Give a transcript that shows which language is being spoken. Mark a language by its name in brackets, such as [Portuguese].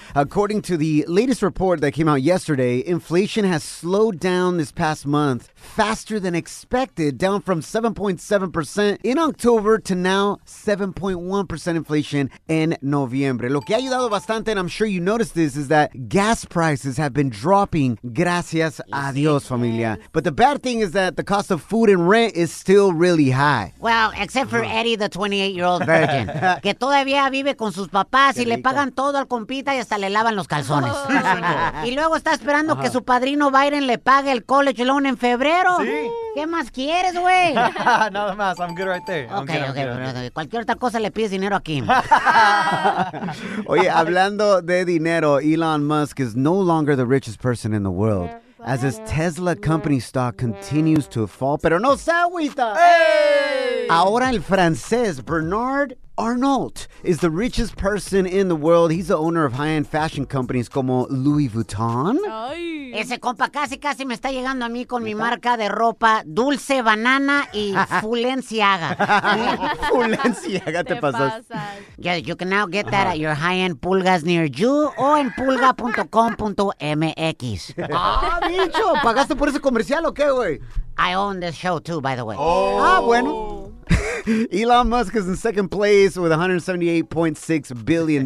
[English] According to the latest report that came out yesterday, inflation has slowed down this past month faster than expected, down from 7.7% in October to now 7.1% inflation in November. [Spanish] Lo que ha ayudado bastante, [English] and I'm sure you noticed this, is that gas prices have been dropping, [Spanish] gracias a Dios, familia. [English] But the bad thing is that the cost of food and rent is still really high. Well, except for Eddie, the 28-year-old virgin. [Spanish] Todavía vive con sus papás y le pagan todo al compita y hasta le lavan los calzones. Y luego está esperando que su padrino Byron le pague el college loan en febrero. ¿Sí? ¿Qué más quieres, güey? Nada más. [English] I'm good right there. Okay. [Spanish] Cualquier otra cosa le pides dinero a Kim. Oye, hablando de dinero, [English] Elon Musk is no longer the richest person in the world. As his Tesla company stock continues to fall. [Spanish] Pero no se agüita. Ahora el francés [English] Bernard Arnault is the richest person in the world. He's the owner of high-end fashion companies como Louis Vuitton. Ay. [Spanish] Ese compa casi me está llegando a mí con mi marca de ropa Dulce Banana y Fulenciaga. Fulenciaga, te pasas. [English] You can now get that at your high-end pulgas near you o en pulga.com.mx. [Spanish] ¡Ah, bicho! ¿Pagaste por ese comercial o qué, güey? [English] I own this show, too, by the way. [Spanish] Oh. Ah, bueno. [English] Elon Musk is in second place with $178.6 billion.